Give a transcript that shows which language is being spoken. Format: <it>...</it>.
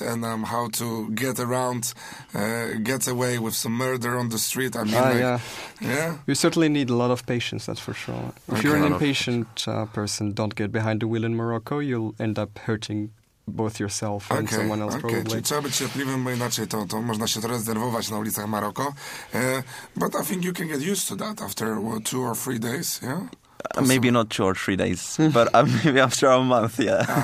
<en>And how to get around, get away with some murder on the street. I mean, yeah. You certainly need a lot of patience. That's for sure. If you're an impatient person, don't get behind the wheel in Morocco. You'll end up hurting both yourself and someone else, okay. probably.</en> <pl>Trzeba być cierpliwym, bo inaczej to można się trochę zdenerwować na ulicach Maroko.</pl> <en>But I think you can get used to that after two or three days, yeah? Maybe not two or three days, but maybe after a month, yeah.</en>